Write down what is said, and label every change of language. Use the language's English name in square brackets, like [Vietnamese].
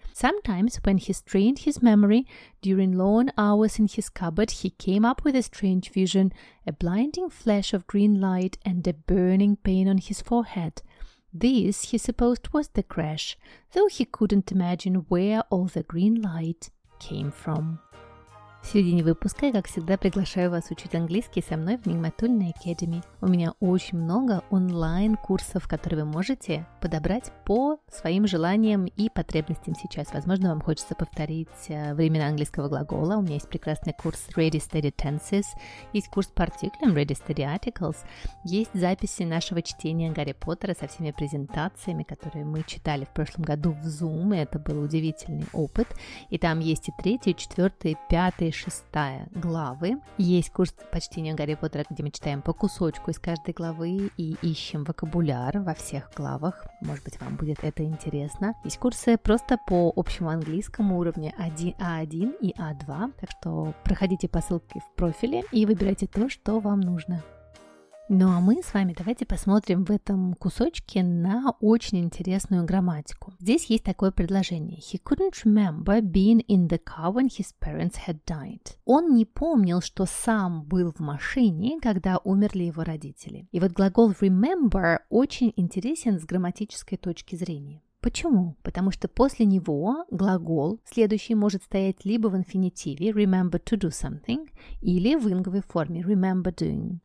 [English] Sometimes, when he strained his memory, during long hours in his cupboard, he came up with a strange vision, a blinding flash of green light and a burning pain on his forehead. This, he supposed, was the crash, though he couldn't imagine where all the green light came from. [Russian] В середине выпуска я, как всегда, приглашаю вас учить английский со мной в Мигматульной Академии. У меня очень много онлайн-курсов, которые вы можете подобрать по своим желаниям и потребностям сейчас. Возможно, вам хочется повторить времена английского глагола. У меня есть прекрасный курс Ready Steady Tenses, есть курс по артиклям Ready Steady Articles, есть записи нашего чтения Гарри Поттера со всеми презентациями, которые мы читали в прошлом году в Zoom, и это был удивительный опыт. И там есть и 3, 4, 5, 6 главы. Есть курс по чтению Гарри Поттера, где мы читаем по кусочку из каждой главы и ищем вокабуляр во всех главах. Может быть, вам будет это интересно. Есть курсы просто по общему английскому уровню А1 и А2. Так что проходите по ссылке в профиле и выбирайте то, что вам нужно. Ну а мы с вами давайте посмотрим в этом кусочке на очень интересную грамматику. Здесь есть такое предложение. [English] He couldn't remember being in the car when his parents had died. [Russian] Он не помнил, что сам был в машине, когда умерли его родители. И вот глагол remember очень интересен с грамматической точки зрения. Почему? Потому что после него глагол следующий может стоять либо в инфинитиве [English] remember to do something, [Russian] или в инговой форме [English] remember doing.